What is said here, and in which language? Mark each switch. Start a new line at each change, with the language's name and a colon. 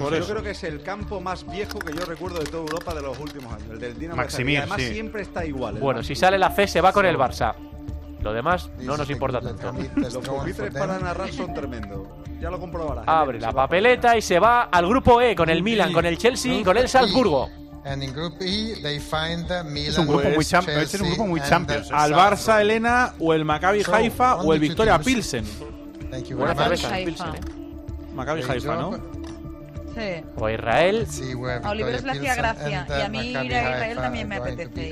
Spanish: Yo creo que es el campo más viejo que yo recuerdo de toda Europa de los últimos años, el del Dinamo. Maximir, además, siempre está igual. Bueno, si sale la C, se va con el Barça. Lo demás no nos importa tanto. Los pupitres para narrar son tremendos. Ya lo comprobará. Abre la papeleta y se va al grupo E con el Milan, con el Chelsea y con el Salzburgo.
English: And in group E they find the Milan,
Spanish: es un grupo muy Champions, es un grupo muy Champions. Al Barça, Elena, o el Maccabi Haifa, o el Victoria Pilsen. Buena cerveza, Pilsen. Maccabi Haifa, ¿no? Sí. O Israel. Sí, bueno, a Oliver le hacía gracia. Y a mí ir a Israel también me apetece.